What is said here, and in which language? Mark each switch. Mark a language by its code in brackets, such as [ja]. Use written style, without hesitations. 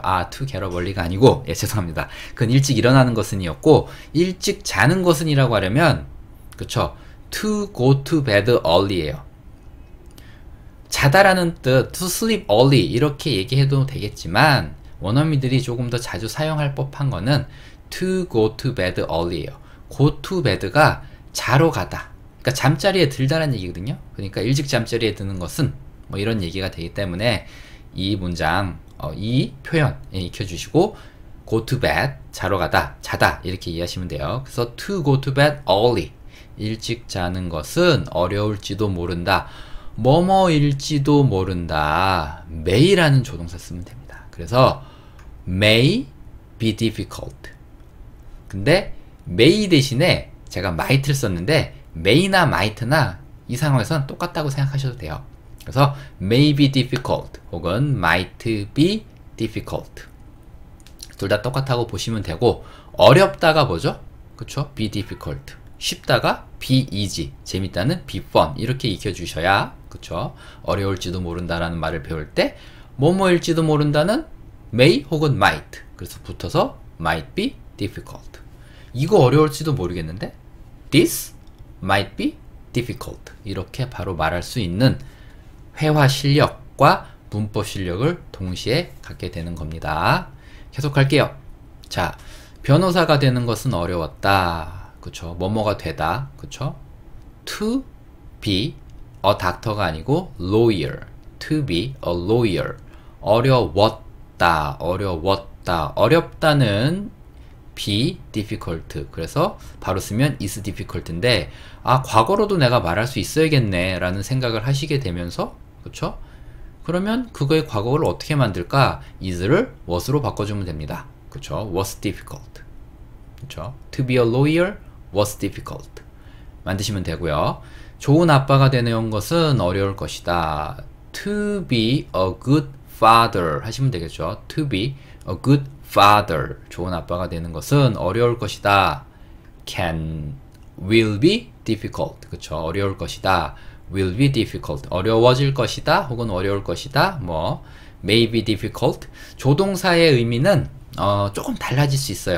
[ko] 아, [en] to get up early [ko] 가 아니고, 예, 죄송합니다. 그건 일찍 일어나는 것은이었고, 일찍 자는 것은이라고 하려면, 그쵸? [en] To go to bed early예요. [ko] 자다라는 뜻, [en] to sleep early [ko] 이렇게 얘기해도 되겠지만, 원어민들이 조금 더 자주 사용할 법한 거는 [en] to go to bed early [ko] 예요. [en] go to bed [ko] 가 자러 가다. 그러니까 잠자리에 들다라는 얘기거든요. 그러니까 일찍 잠자리에 드는 것은 뭐 이런 얘기가 되기 때문에 이 문장, 이 표현 익혀 주시고 [en] go to bed [ko] 자러 가다. 자다. 이렇게 이해하시면 돼요. [en] 그래서 to go to bed early. [ko] 일찍 자는 것은 어려울지도 모른다. 뭐뭐일지도 모른다. may라는 조동사 쓰면 됩니다. 그래서 [en] may be difficult. [ko] 근데 may 대신에 제가 might를 썼는데 may나 might나 이 상황에서는 똑같다고 생각하셔도 돼요. 그래서 [en] may be difficult [ko] 혹은 [en] might be difficult [ko] 둘 다 똑같다고 보시면 되고 어렵다가 뭐죠? 그쵸? [en] be difficult [ko] 쉽다가 [en] be easy [ko] 재밌다는 [en] be fun [ko] 이렇게 익혀주셔야 그쵸? 어려울지도 모른다라는 말을 배울 때 뭐뭐일지도 모른다는 may 혹은 might 그래서 붙어서 [en] might be difficult [ko] 이거 어려울지도 모르겠는데 [en] this might be difficult [ko] 이렇게 바로 말할 수 있는 회화 실력과 문법 실력을 동시에 갖게 되는 겁니다. 계속할게요. 자, 변호사가 되는 것은 어려웠다. 그쵸? 뭐뭐가 되다. 그쵸? [en] To be a doctor가 아니고 lawyer. To be a lawyer. 어려웠다. [ko] 어려웠다. 어렵다는 [en] be difficult. [ko] 그래서 바로 쓰면 [en] is difficult [ko] 인데 아, 과거로도 내가 말할 수 있어야겠네 라는 생각을 하시게 되면서 그쵸? 그러면 그거의 과거를 어떻게 만들까? is를 was로 바꿔주면 됩니다. [en] 그쵸? was difficult. 그쵸? to be a lawyer was difficult. [ko] 만드시면 되고요. 좋은 아빠가 되는 것은 어려울 것이다. [en] to be a good father 하시면 되겠죠. to be a good father [ko] 좋은 아빠가 되는 것은 어려울 것이다. [en] can will be difficult. 그쵸? [ko] 어려울 것이다. [en] will be difficult [ko] 어려워질 것이다 혹은 어려울 것이다 뭐 [en] may be difficult [ko] 조동사의 의미는 조금 달라질 수 있어요.